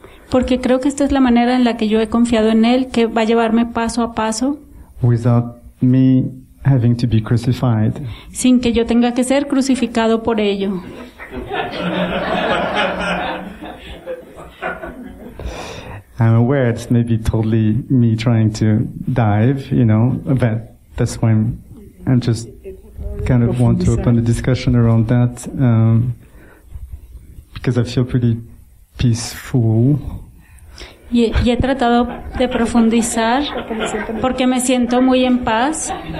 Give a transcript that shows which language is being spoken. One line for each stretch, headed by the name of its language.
Spanish: Porque creo que esta es la manera en la que yo he confiado en él, que va a llevarme paso a paso.
English: Without me having to be crucified.
Spanish: Sin que yo tenga que ser crucificado por ello.
English: I'm aware it's maybe totally me trying to dive, you know, but that's why I'm just kind of want to open a discussion around that, because I feel pretty peaceful.
Spanish: Y he tratado de profundizar porque me siento muy en paz.